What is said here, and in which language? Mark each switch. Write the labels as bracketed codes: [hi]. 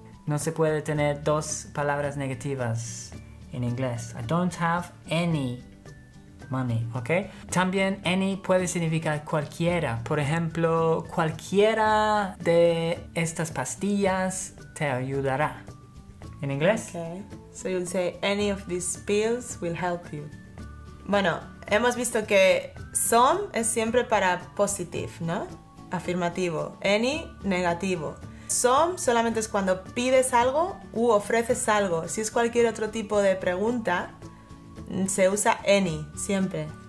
[es] No se puede tener dos palabras negativas en inglés. [en] I don't have any money. ¿Ok? [es] También any puede significar cualquiera. Por ejemplo, cualquiera de estas pastillas te ayudará. ¿En inglés? [en] Okay. So you'll say, any of these pills will help you. [es] Bueno, hemos visto que some es siempre para positive, ¿no? Afirmativo. Any, negativo. Some solamente es cuando pides algo u ofreces algo. Si es cualquier otro tipo de pregunta, se usa any, siempre.